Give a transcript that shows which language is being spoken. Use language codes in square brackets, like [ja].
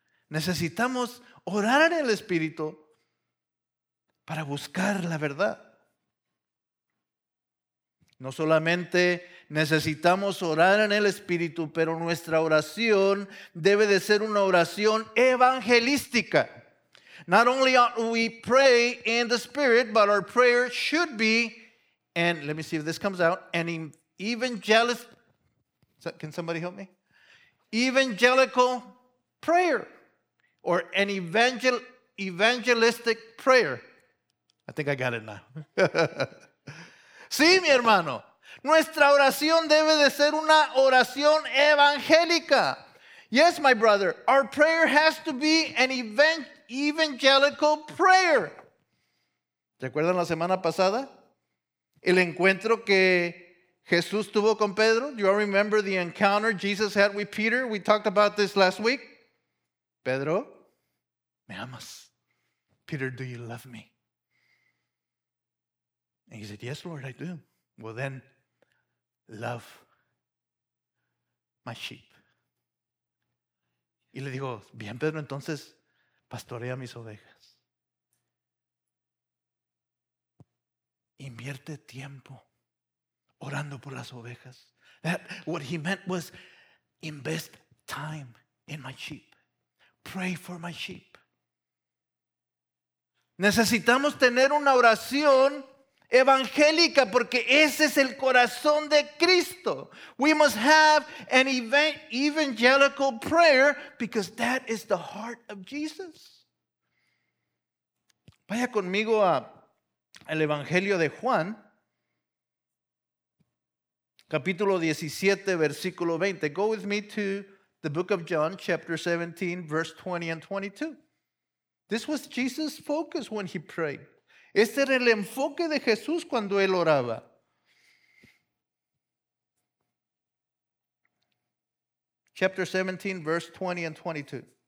[es] Necesitamos orar en el Espíritu para buscar la verdad. No solamente necesitamos orar en el Espíritu, pero nuestra oración debe de ser una oración evangelística. [en] Not only ought we pray in the Spirit, but our prayer should be, and let me see if this comes out, an evangelist, can somebody help me? Evangelical prayer. Or an evangelistic prayer. I think I got it now. [es] Sí, mi hermano. Nuestra oración debe de ser una oración evangélica. [en] Yes, my brother. Our prayer has to be an evangelical prayer. [es] ¿Recuerdan la semana pasada? El encuentro que Jesús tuvo con Pedro. [en] Do you all remember the encounter Jesus had with Peter? We talked about this last week. [es] Pedro. Me amas. [en] Peter, do you love me? And he said, yes, Lord, I do. Well, then, love my sheep. [es] Y le dijo, bien, Pedro, entonces, pastorea mis ovejas. Invierte tiempo orando por las ovejas. [en] What he meant was, invest time in my sheep. Pray for my sheep. [es] Necesitamos tener una oración evangélica porque ese es el corazón de Cristo. [en] We must have an evangelical prayer because that is the heart of Jesus. [es] Vaya conmigo al Evangelio de Juan, capítulo 17, versículo 20. [en] Go with me to the book of John, chapter 17, verse 20 and 22. This was Jesus' focus when he prayed. [es] Este era el enfoque de Jesús cuando él oraba. [en] Chapter 17, verse 20 and 22.